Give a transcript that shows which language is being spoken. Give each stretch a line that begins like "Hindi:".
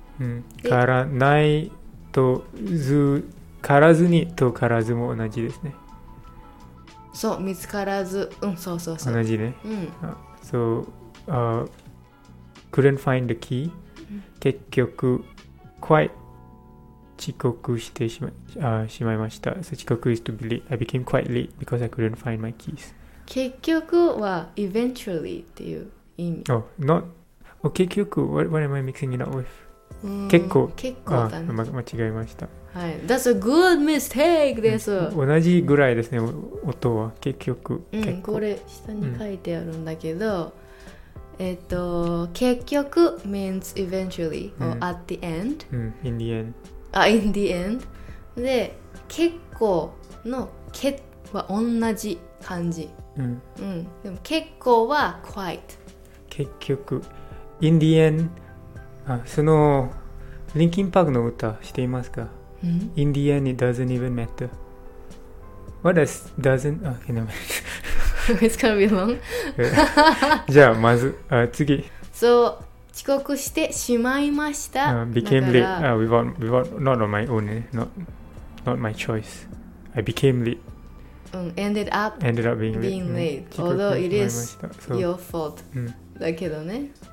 Japanese: うん、からないとず、からずにとからずも同じですね。そう、見つからず、うん、そうそうそう。同じね。うん。
English: So, couldn't find the key. 結局、quite
Japanese: 遅刻してしまいました。
English: So, 遅刻 is to be late. I became quite late because I couldn't find my keys.
Japanese: 結局は eventually っていう意味。
English: Oh, not... Oh, 結局 what am I mixing it up with?
Japanese: 結構。結構だね。あ、間違えました。
English: はい。That's a good mistake です。
Japanese: 同じぐらいですね、音は。結局。うん、結構これ下に書いてあるんだけど、うん、結局
English: means eventually or at the end、うん、in the end
Japanese: あ、in the end で、結構のけは同じ感じ、うんうん、でも結構は quite 結局 in the end あ、そのリンキンパークの歌知っていますか、うん、
English: in the end it doesn't even matter what does doesn't あ、okay, never mind It's gonna be long.
Japanese: じゃあまず、次。 So, 遅刻してしまいました。
English: Became late. Not on my own. Not my choice. I became late. Ended up being late. Although it is your fault.
Japanese: だけどね。